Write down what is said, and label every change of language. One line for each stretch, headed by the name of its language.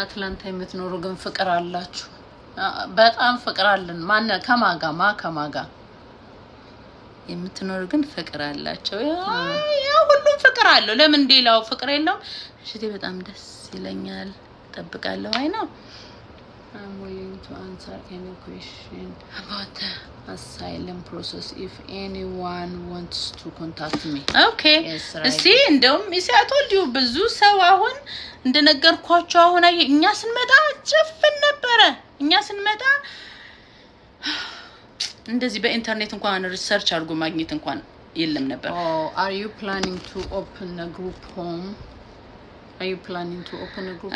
Amharic: አትላንታ የምትኖሩ ግን ፍቅር አላችሁ በጣም ፍቅር አለን ማን ከማጋ የምትኖሩ ግን ፍቅር አላችሁ ያው ሁሉም ፍቅር አለ ለምን ዲላው ፍቅር የለም እሺ በጣም ደስ ይለኛል ተጠብቃለሁ አይ ነው
English: I'm willing to answer any question about the asylum process if anyone wants to contact me. Okay. Yes, right.
Amharic: See, እንደውም እሺ
English: I told you
Amharic: ብዙ ሰው አሁን እንደነገርኳቸው አሁን እኛ ስንመጣ ጭፍን ነበር። እኛ ስንመጣ እንደዚህ በኢንተርኔት እንኳን ሪሰርች አድርጎ ማግኘት እንኳን የለም ነበር።
English: Oh, are you planning to open a group home? Are you planning to open a group